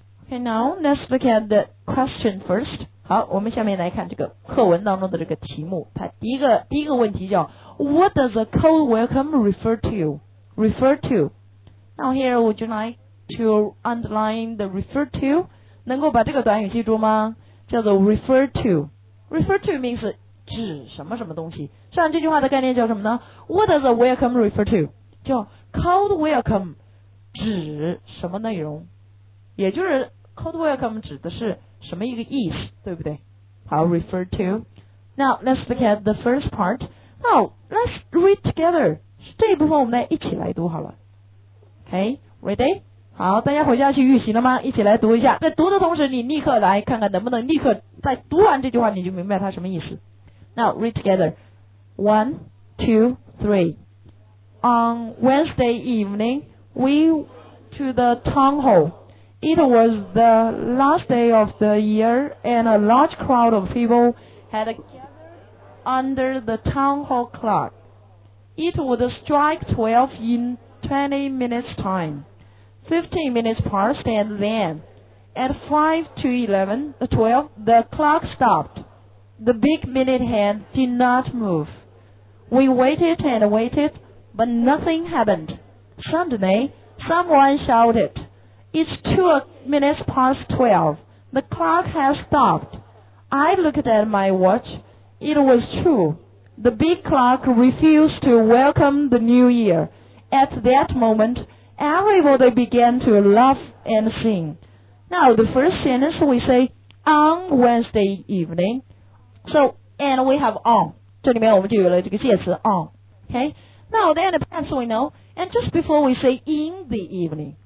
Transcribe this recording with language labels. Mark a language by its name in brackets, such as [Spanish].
[English] Okay, now let's look at the question first. [Chinese] 好，我们下面来看这个课文当中的这个题目。它第一个问题叫 [English] What does a cold welcome refer to? Refer to. Now here, would you like to underline the refer to? [Chinese] 能够把这个短语记住吗？叫做 refer to。 [English] Refer to means [Chinese] 指什么什么东西。像这句话的概念叫什么呢？ [English] What does a welcome refer to? [Chinese] 叫 cold welcome 指什么内容，也就是 cold welcome 指的是什么一个意思，对不对？好， refer to。 [English] Now let's look at the first part. Now let's read together. [Chinese] 这一部分我们来一起来读好了。 [English] OK, ready? [Chinese] 好，大家回家去预习了吗？一起来读一下，在读的同时你立刻来看看能不能立刻在读完这句话你就明白它什么意思。 [English] Now read together. 1, 2, 3. On Wednesday evening we went to the town hall. It was the last day of the year and a large crowd of people had gathered under the town hall clock. It would strike 12 in 20 minutes time. 15 minutes passed and then at 5 to 12 the clock stopped. The big minute hand did not move. We waited and waited, but nothing happened. Suddenly, someone shouted, It's 2 minutes past 12. The clock has stopped. I looked at my watch. It was true. The big clock refused to welcome the new year. At that moment,Everybody began to laugh and sing. Now, the first sentence we say, on Wednesday evening. So, and we have on. [Chinese] 这里面我们就有了这个介词 on. [English] Okay? Now, then the past we know. And just before we say in the evening.